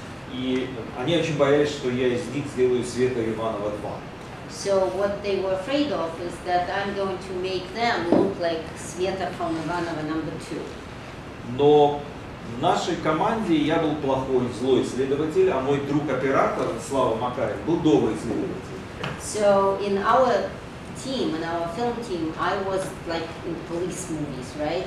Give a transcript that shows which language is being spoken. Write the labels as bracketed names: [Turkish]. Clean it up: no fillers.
[Russian] И они очень боялись, что я из них сделаю Света Иванова 2. [English] So what they were afraid of is that I'm going to make them look like Sveta from Ivanova number 2. [Russian] Но в нашей команде я был плохой, злой следователь, а мой друг-оператор, Слава Макарин, был добрый следователь. [English] So in our team, in our film team, I was like in police movies, right?